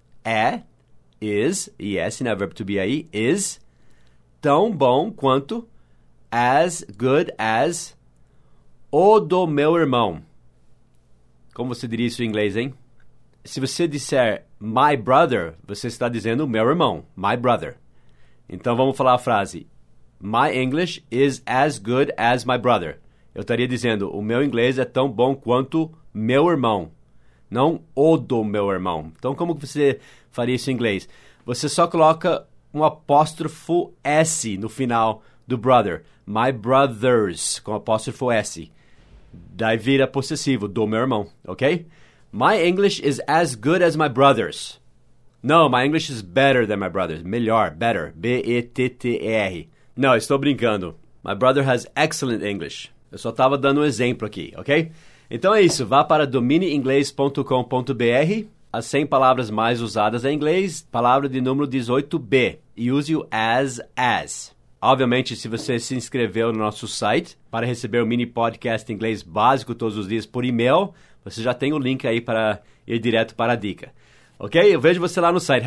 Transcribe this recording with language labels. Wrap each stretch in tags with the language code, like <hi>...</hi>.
<pt>é,</pt> <en>is, yes,</en> <pt>né, verbo to be aí, is tão bom quanto,</pt> <en>as good as,</en> <pt>o do meu irmão. Como você diria isso em inglês, hein? Se você disser</pt> <en>my brother,</en> <pt>você está dizendo meu irmão, my brother. Então vamos falar a frase,</pt> <en>my English is as good as my brother.</en> <pt>Eu estaria dizendo, o meu inglês é tão bom quanto meu irmão, não o do meu irmão. Então, como que você faria isso em inglês? Você só coloca um apóstrofo S no final do brother.</pt> <en>My brothers,</en> <pt>com apóstrofo S. Daí vira possessivo, do meu irmão, ok?</pt> <en>My English is as good as my brother's. No, my English is better than my brother's.</en> <pt>Melhor,</pt> <en>better. B-E-T-T-E-R. No,</en> <pt>estou brincando.</pt> <en>My brother has excellent English.</en> <pt>Eu só estava dando um exemplo aqui, ok? Então é isso, vá para dominieinglês.com.br, as 100 palavras mais usadas em inglês, palavra de número 18B, e use o as. Obviamente, se você se inscreveu no nosso site para receber o mini podcast inglês básico todos os dias por e-mail, você já tem o link aí para ir direto para a dica. Ok? Eu vejo você lá no site.</pt>